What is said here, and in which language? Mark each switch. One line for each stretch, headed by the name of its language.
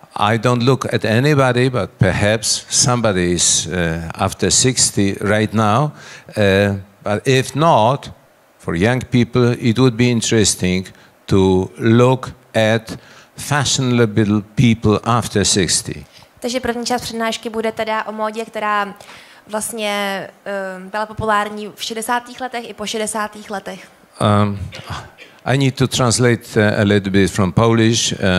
English: I don't look at anybody, but perhaps somebody is after 60 right now. But if not, for young people, it would be interesting to look at fashionable people after 60.
Czech: Takže první část přednášky bude teda o módě, která vlastně byla populární v 60. letech i po 60. letech.
English: I need to translate a little bit from Polish.